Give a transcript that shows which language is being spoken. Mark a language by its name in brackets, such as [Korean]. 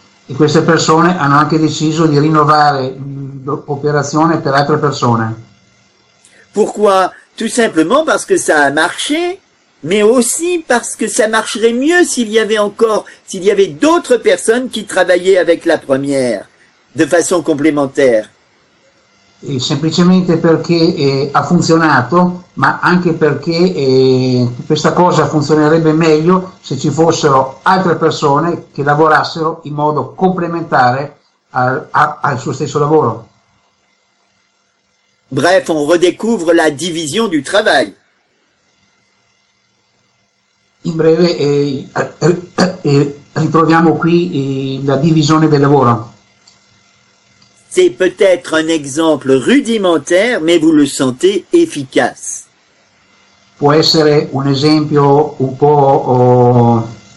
[Italian] E queste persone hanno anche deciso di rinnovare l'operazione per altre persone. [French] Pourquoi? Tout simplement parce que ça a marché. Mais aussi parce que ça marcherait mieux s'il y avait d'autres personnes qui travaillaient avec la première de façon complémentaire. Et simplement parce que [Italian] ha funzionato, ma anche perché questa cosa funzionerebbe meglio se ci fossero altre persone che lavorassero in modo complementare al suo stesso lavoro. [French] Bref, on redécouvre la division du travail. [Italian] In breve, ritroviamo qui la divisione del lavoro. [French] C'est peut-être un exemple rudimentaire, mais vous le sentez efficace. [Italian] Può essere un esempio un po'...